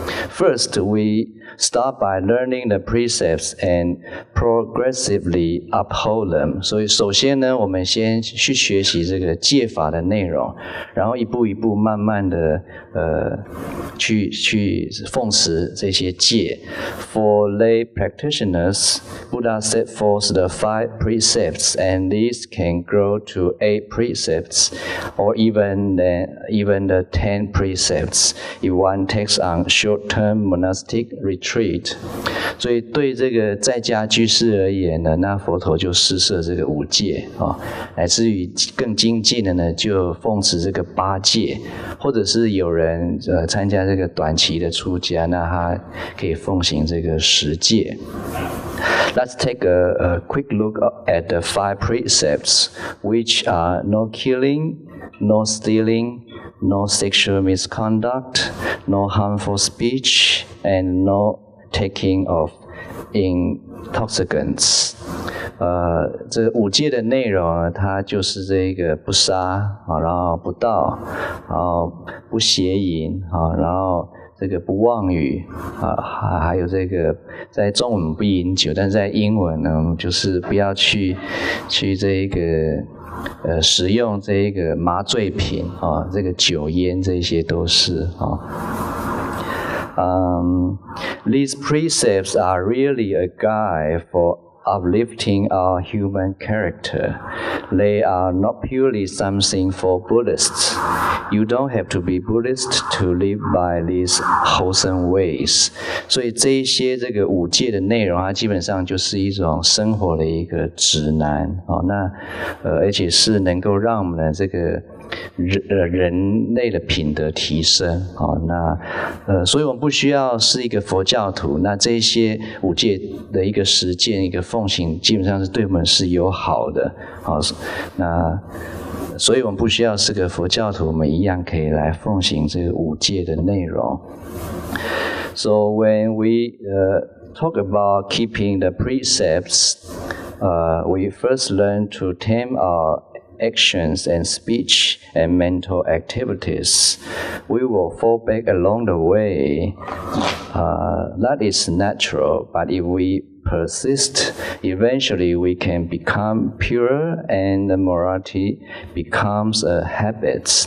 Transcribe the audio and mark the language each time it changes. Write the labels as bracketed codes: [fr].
[en] First weStart by learning the precepts and progressively uphold them. [zh] 所以首先呢，我们先去学习这个戒法的内容，然后一步一步慢慢的去奉持这些戒。 [en] For lay practitioners, Buddha set forth the 5 precepts, and these can grow to 8 precepts, or even the 10 precepts if one takes on short-term monastic retreat. [zh] 所以对这个在家居士而言呢，那佛陀就施设这个五戒，乃至于更精进的呢就奉持这个八戒，或者是有人参加这个短期的出家，那他可以奉行这个十戒。 [en] Let's take a quick look at the 5 precepts, which are no killing, no stealing, no sexual misconduct, no harmful speech, and no taking of intoxicants. [zh] 这五戒的内容呢，它就是这个不杀，然后不盗，然后不邪淫，然后这个不妄语啊，还有这个在中文不饮酒，但是在英文呢，就是不要去这一个使用这一个麻醉品啊，这个酒烟这些都是啊。 [en] These precepts are really a guide for uplifting our human character. They are not purely something for Buddhists. You don't have to be Buddhist to live by these wholesome ways. [zh] 所以这些这个五戒的内容，它基本上就是一种生活的一个指南。哦，那而且是能够让我们的这个人类的品德提升，哦，那所以我们不需要是一个佛教徒，那这些五戒的一个实践一个奉行基本上是对我们是友好的，哦，那所以我们不需要是个佛教徒，我们一样可以来奉行这个五戒的内容。 [en] So when we talk about keeping the precepts, we first learn to tame ouractions and speech and mental activities. We will fall back along the way. That is natural, but if we persist, eventually we can become purer and the morality becomes a habit.